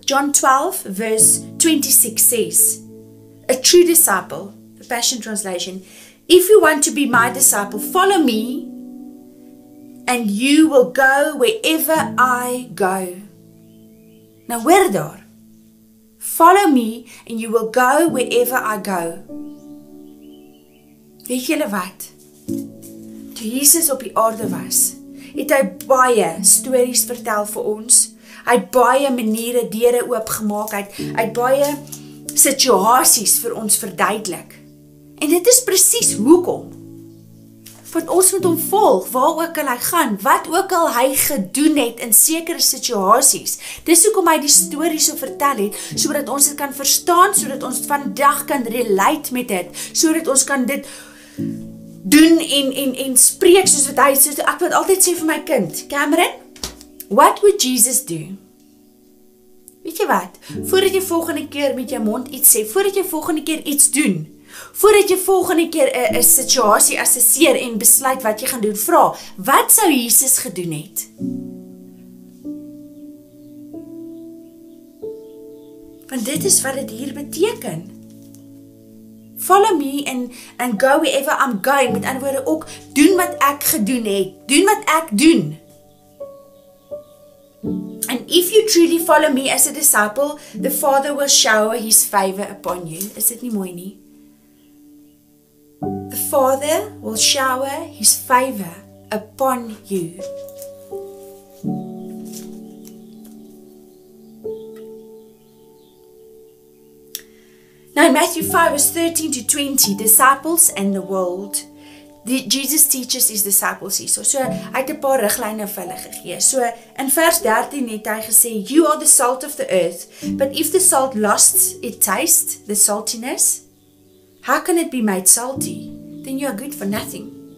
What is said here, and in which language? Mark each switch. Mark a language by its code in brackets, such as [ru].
[en] John 12 verse 26 says, a true disciple, the Passion Translation, if you want to be my disciple, follow me and you will go wherever I go. [af] Nou hoor daar. [en] Follow me and you will go wherever I go. [af] Weet julle wat? Toe Jesus op die aarde was, het hy baie stories vertel vir ons. Hy het baie maniere deure oopgemaak. Hy het baie situasies vir ons verduidelik. En dit is presies hoekom. Want ons moet hom volg, waar ook al hy gaan, wat ook al hy gedoen het in sekere situasies. Dis hoekom hy die stories so vertel het, sodat ons dit kan verstaan, sodat ons vandag kan relate met dit, sodat ons kan dit doen en spreek soos wat hy sê. Ek wil altyd sê vir my kind, Cameron, [en] what would Jesus do? [af] Weet jy wat? Voordat jy volgende keer met jou mond iets sê, voordat jy volgende keer iets doen, voordat jy volgende keer 'n situasie assesseer en besluit wat jy gaan doen, vra, wat sou Jesus gedoen het? Want dit is wat dit hier beteken. [en] Follow me and go wherever I'm going. [af] Met ander woorde ook, doen wat ek gedoen het. Doen wat ek doen. [en] And if you truly follow me as a disciple, the Father will shower His favor upon you. [af] Is dit nie mooi nie? [en] The Father will shower His favor upon you. Now in Matthew 5 verse 13 to 20, disciples and the world. Jesus teaches His disciples hier. [af] So hy het 'n paar riglyne vir hulle gegee. So in vers 13 het hy gesê, [en] you are the salt of the earth, but if the salt lost its taste, the saltiness, how can it be made salty? Then you are good for nothing.